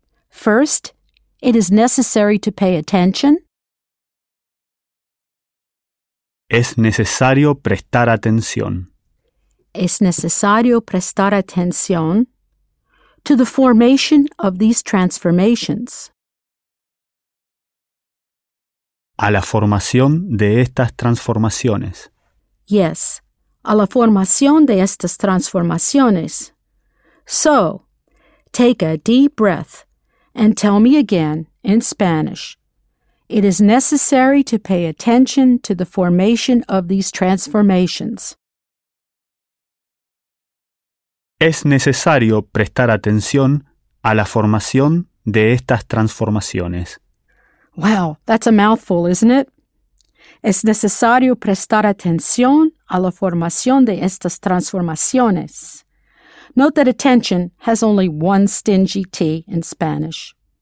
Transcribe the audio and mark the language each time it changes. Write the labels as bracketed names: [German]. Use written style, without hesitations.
[English] First, it is necessary to pay attention. [Spanish] Es necesario prestar atención. Es necesario prestar atención [English] to the formation of these transformations. [Spanish] A la formación de estas transformaciones. [English] Yes, [Spanish] a la formación de estas transformaciones. [English] So, take a deep breath. And tell me again, in Spanish, it is necessary to pay attention to the formation of these transformations. [Spanish] Es necesario prestar atención a la formación de estas transformaciones. [English] Wow, that's a mouthful, isn't it? [Spanish] Es necesario prestar atención a la formación de estas transformaciones. [English] Note that attention has only one stingy T in Spanish.